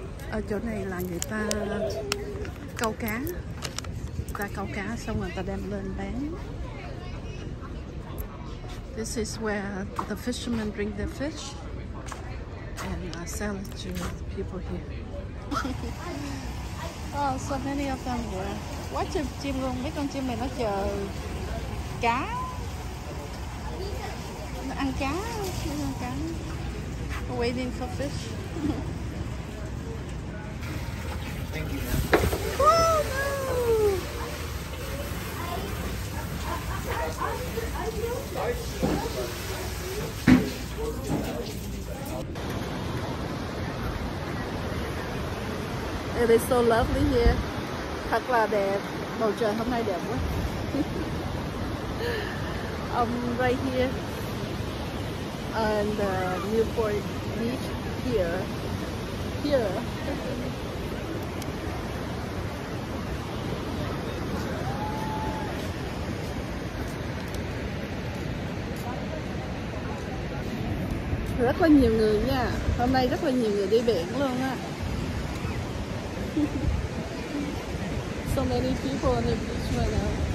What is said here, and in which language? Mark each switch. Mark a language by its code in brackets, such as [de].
[vi] Ở chỗ này là người ta câu cá. Người ta câu cá xong rồi người ta đem lên bán. [en] This is where the fishermen bring their fish and sell it to the people here. Oh, so many of them were. [vi] Quá trời chim luôn, mấy con chim này nó chờ cá. Nó ăn cá, nó ăn cá. [en] Waiting for fish. Thank you, man. Oh, no! It is so lovely here. [vi] Thật là đẹp. Bầu trời hôm nay đẹp quá. [en] Right here on the Newport beach here. Here. [vi] Rất là nhiều người nha. Hôm nay rất là nhiều người đi biển luôn á. [en] So many people on the beach right now.